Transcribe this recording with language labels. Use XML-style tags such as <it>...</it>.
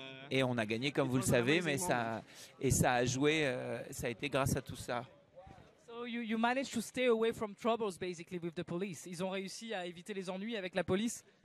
<fr>Et on a gagné, comme vous le savez, mais ça a joué. Ça a été grâce à tout ça.</fr> <en>So you managed to stay away from troubles basically with the police.</en> <fr>Ils ont réussi à éviter les ennuis avec la police.</fr>